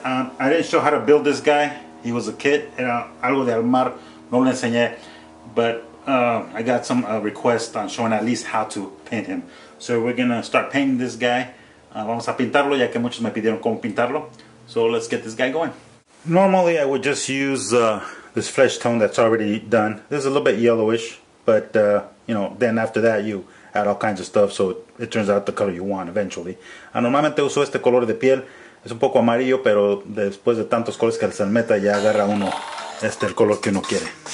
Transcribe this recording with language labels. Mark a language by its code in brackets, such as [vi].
[en] I didn't show how to build this guy. He was a kid, and [es] algo de armar no le enseñé. [en] But I got some requests on showing at least how to paint him. So we're gonna start painting this guy. [es] Vamos a pintarlo, ya que muchos me pidieron cómo pintarlo. [en] So let's get this guy going. Normally I would just use this flesh tone that's already done. This is a little bit yellowish, but you know, then after that you add all kinds of stuff, so it turns out the color you want eventually. [es] Normalmente uso este color de piel. Es un poco amarillo, pero después de tantos colores que se meta, ya agarra uno este el color que uno quiere.